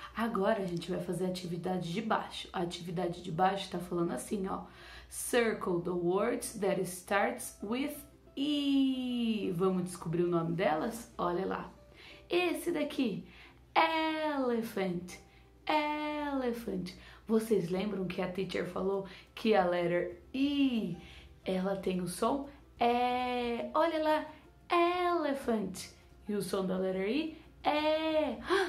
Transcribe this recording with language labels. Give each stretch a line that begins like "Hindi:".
Portuguese: Agora a gente vai fazer a atividade de baixo. A atividade de baixo tá falando assim, ó.
English: Circle the words that starts with E.
Portuguese: Vamos descobrir o nome delas? Olha lá. Esse daqui, elephant. Elephant. Vocês lembram que a teacher falou que a letter E, ela tem o som E. Olha lá, elephant. E o som da letter E é.